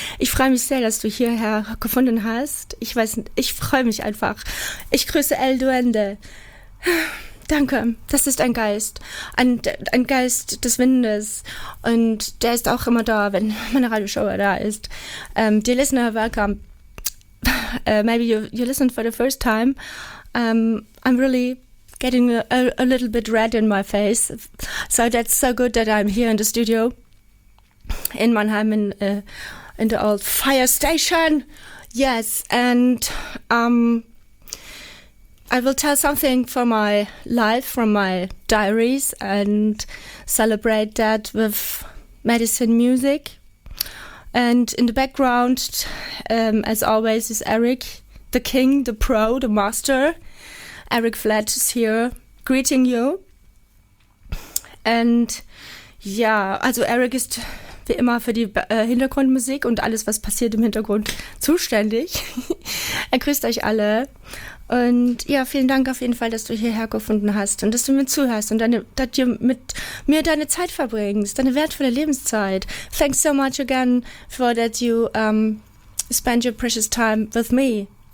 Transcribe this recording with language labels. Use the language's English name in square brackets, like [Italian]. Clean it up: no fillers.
[German] Ich freue mich sehr, dass du hierher gefunden hast. Ich weiß nicht, ich freue mich einfach. Ich grüße El Duende. Danke, das ist ein Geist. Ein Geist des Windes. Und der ist auch immer da, wenn meine Radioshow da ist. [English] Dear listener, welcome. Maybe you listened for the first time. I'm really getting a little bit red in my face. So that's so good that I'm here in the studio in Mannheim in the old fire station. Yes, and I will tell something from my life, from my diaries, and celebrate that with medicine music. And in the background, as always, is Eric, the king, the pro, the master. Eric Fletch is here greeting you. [German] And ja, also Eric ist wie immer für die Hintergrundmusik und alles, was passiert im Hintergrund, zuständig. Er grüßt euch alle. Und ja, vielen Dank auf jeden Fall, dass du hierher gefunden hast und dass du mir zuhörst und dass du mit mir deine Zeit verbringst, deine wertvolle Lebenszeit. [English] Thanks so much again for that you spend your precious time with me.